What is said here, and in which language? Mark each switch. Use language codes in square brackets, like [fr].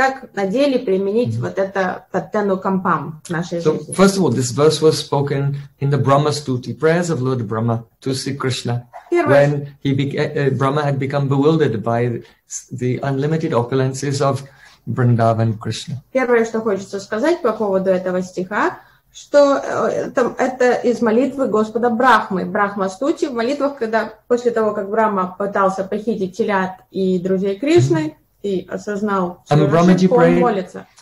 [ru] Как на деле применить вот это Таттену Кампам в нашей жизни? [en] So, first of all, this verse was spoken in the Brahma Stuti, prayers of Lord Brahma to Sri Krishna. When Brahma had become bewildered by the unlimited opulences of Vrindavan Krishna. [ru] Первое, что хочется сказать по поводу этого стиха, что это из молитвы Господа Брахмы, Брахма Стути, в молитвах, когда после того, как Брахма пытался похитить телят и друзей Кришны, и осознал, что он молится.